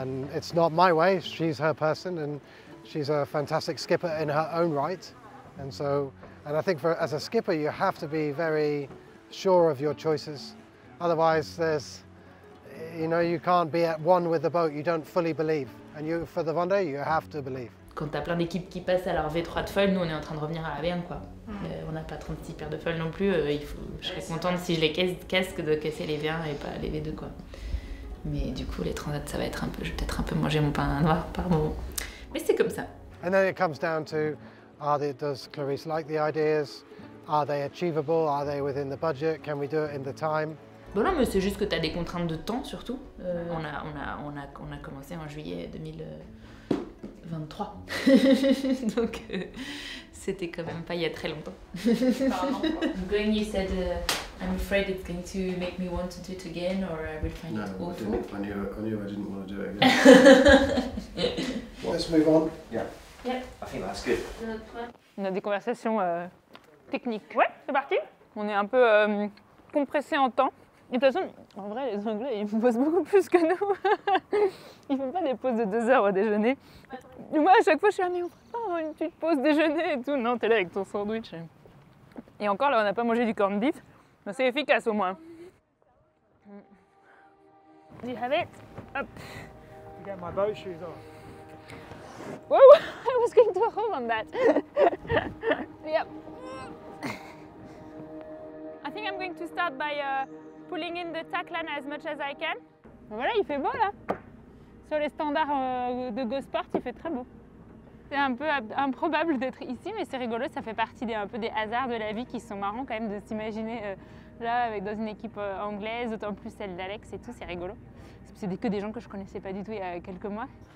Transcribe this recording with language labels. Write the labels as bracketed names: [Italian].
[English] And it's not my way, she's her person, and she's a fantastic skipper in her own right. And so, and I think as a skipper, you have to be very sure of your choices. Otherwise, you can't be at one with the boat, you don't fully believe. And you, for the Vendée, you have to believe. [French] Quand t'as plein d'équipes qui passent à leur V3 de foil, nous on est en train de revenir à Averne, quoi. On n'a pas 36 paires de foil non plus, je serais contente si je les casque de casser les V1 et pas les V2, quoi. Mais du coup, les transats, ça va être un peu... Je vais peut-être un peu manger mon pain noir par moment. Mais c'est comme ça. [English] And then it comes down to, does Clarisse like the ideas? Are they achievable? Are they within the budget? Can we do it in the time? [French] Bon non, mais c'est juste que tu as des contraintes de temps surtout. On a commencé en juillet 2023. Donc c'était quand même pas il y a très longtemps. [English] Going, you said I'm afraid it's going to make me want to do it again or I will find it awful. I knew I didn't want to do it again. Let's move on. Yeah. I think that's good. [French] On a des conversations techniques. Ouais, c'est parti. On est un peu compressé en temps. Et de toute façon, en vrai, les Anglais, ils bossent beaucoup plus que nous. Ils font pas des pauses de 2 heures au déjeuner. Et moi, à chaque fois, je suis là, mais on prend pas une petite pause déjeuner et tout. Non, t'es là avec ton sandwich. Et encore, là, on n'a pas mangé du corn beef. Mais c'est efficace, au moins. [English] Do you have it? Hop. You get my boat shoes on. Whoa, I was going to home on that. Yep. I think I'm going to start by... pulling in the tackline as much as I can. [French] Voilà, il fait beau là. Sur les standards de Gosport, il fait très beau. C'est un peu improbable d'être ici, mais c'est rigolo. Ça fait partie des hasards de la vie qui sont marrants quand même de s'imaginer là avec dans une équipe anglaise, d'autant plus celle d'Alex et tout. C'est rigolo. C'est que des gens que je connaissais pas du tout il y a quelques mois.